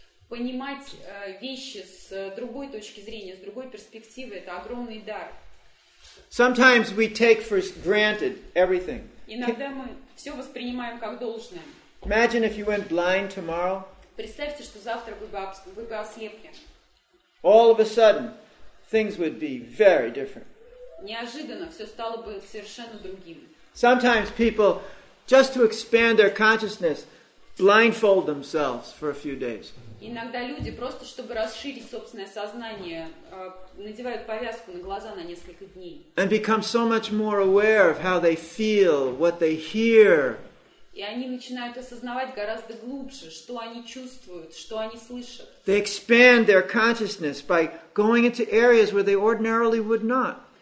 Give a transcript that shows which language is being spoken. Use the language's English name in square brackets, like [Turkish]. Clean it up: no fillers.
[Russian] Понимать вещи с другой точки зрения, с другой перспективы, это огромный дар. [English] Sometimes we take for granted everything. [Russian] Иногда мы все воспринимаем как должное. [English] Imagine if you went blind tomorrow. [Russian] Представьте, что завтра вы бы ослепли. [English] All of a sudden, things would be very different. [Russian] Неожиданно все стало бы совершенно другим. [English] Sometimes people, just to expand their consciousness, blindfold themselves for a few days. [Russian] Иногда люди просто, чтобы расширить собственное сознание, надевают повязку на глаза на несколько дней. [English] And become so much more aware of how they feel, what they hear. [Russian] И они начинают осознавать гораздо глубже, что они чувствуют, что они слышат. [English] They expand their consciousness by going into areas where they ordinarily would not.